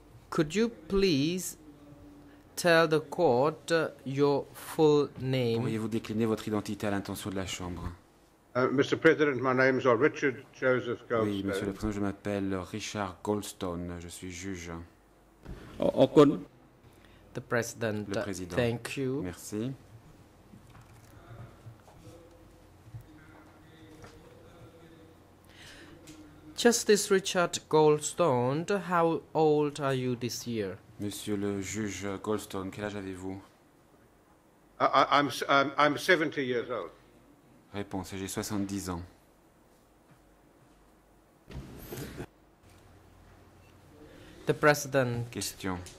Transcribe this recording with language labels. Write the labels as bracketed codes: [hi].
[en] Could you please tell the court your full name? [fr] Pourriez-vous décliner votre identité à l'intention de la Chambre? [en] Mr. President, my name is Richard Joseph Goldstone. [fr] Oui, Monsieur le Président, je m'appelle Richard Goldstone. Je suis juge. [en] The President. [fr] Le Président. [en] Thank you. [fr] Merci. [en] Justice Richard Goldstone, how old are you this year? [fr] Monsieur le juge Goldstone, quel âge avez-vous? [en] I'm 70 years old. [fr] Réponse, j'ai 70 ans. [en] The President. [fr] Question.